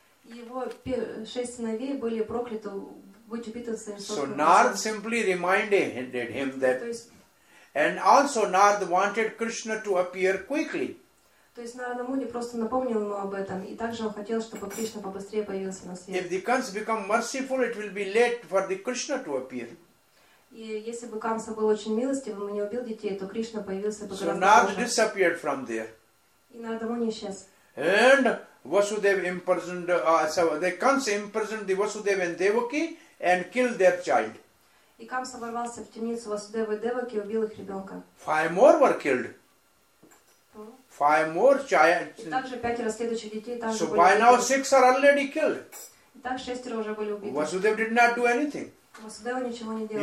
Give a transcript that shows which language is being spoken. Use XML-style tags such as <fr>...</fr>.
<ru>Его шесть сыновей были прокляты быть убиты своим собственным.</ru> <en>So Narada simply reminded him that. And also Narada wanted Krishna to appear quickly.</en> <ru>То есть Нарада Муни просто напомнил ему об этом, и также он хотел, чтобы Кришна побыстрее появился на свет.</ru> <en>If the Kansa become merciful, it will be late for the Krishna to appear.</en> <ru>И если бы Канса был очень милостивым и не убил детей, то Кришна появился бы.</ru> <en>So Narada disappeared from there.</en> <ru>И Нарада Муни исчез.</ru> <en>And Vasudeva imprisoned, Kansa imprisoned the Vasudeva and Devaki and killed their child.</en> <ru>И Камса ворвался в темницу Васудевы и Деваки и убил их ребенка.</ru> <en>Five more were killed. Five more child.</en> <ru>И также пятеро следующих детей также so были убиты.</ru> <en>So by now six are already killed.</en> <ru>И так шестеро уже были убиты.</ru> <en>Vasudev did not do anything.</en> <ru>Васудева ничего не делал.</ru>